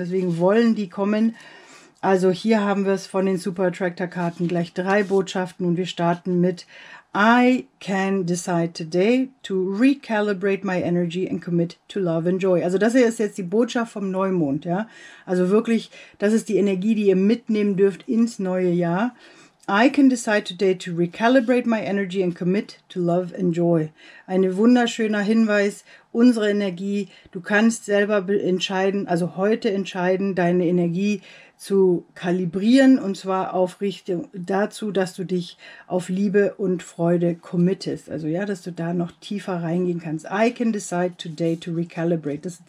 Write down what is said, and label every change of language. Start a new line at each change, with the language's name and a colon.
German: Deswegen wollen die kommen. Also hier haben wir es von den Super Attractor Karten gleich drei Botschaften und wir starten mit
English: I can decide today to recalibrate my energy and commit to love and joy.
German: Also das hier ist jetzt die Botschaft vom Neumond, ja. Also wirklich, das ist die Energie, die ihr mitnehmen dürft ins neue Jahr.
English: I can decide today to recalibrate my energy and commit to love and joy.
German: Ein wunderschöner Hinweis, unsere Energie, du kannst selber entscheiden, also heute entscheiden, deine Energie zu kalibrieren und zwar auf Richtung dazu, dass du dich auf Liebe und Freude committest. Also ja, dass du da noch tiefer reingehen kannst.
English: I can decide today to recalibrate.